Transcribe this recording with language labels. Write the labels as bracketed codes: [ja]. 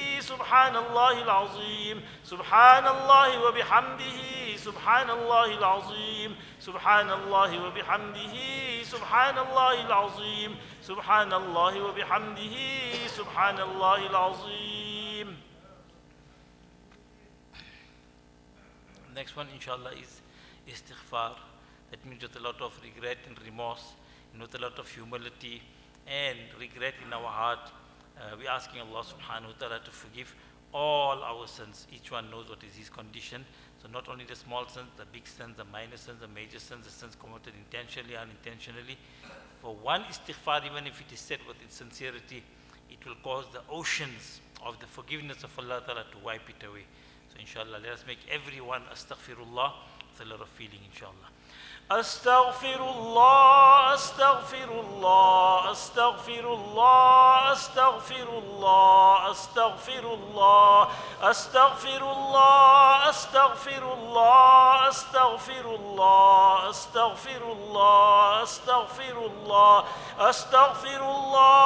[ar] سبحان الله العظيم سبحان الله وبحمده سبحان الله العظيم سبحان الله وبحمده سبحان الله العظيم سبحان الله وبحمده سبحان الله العظيم [en] Next one inshallah is istighfar that means with a lot of regret and remorse and with a lot of humility and regret in our heart we asking Allah subhanahu wa ta'ala to forgive all our sins. Each one knows what is his condition. So not only the small sins, the big sins, the minor sins, the major sins, the sins committed intentionally, unintentionally. For one istighfar, even if it is said with sincerity, it will cause the oceans of the forgiveness of Allah ta'ala to wipe it away. So inshallah, let us make everyone astaghfirullah with a lot of feeling inshallah. [ar] أستغفر الله أستغفر الله أستغفر الله أستغفر الله أستغفر الله أستغفر الله أستغفر الله أستغفر الله أستغفر الله أستغفر الله أستغفر الله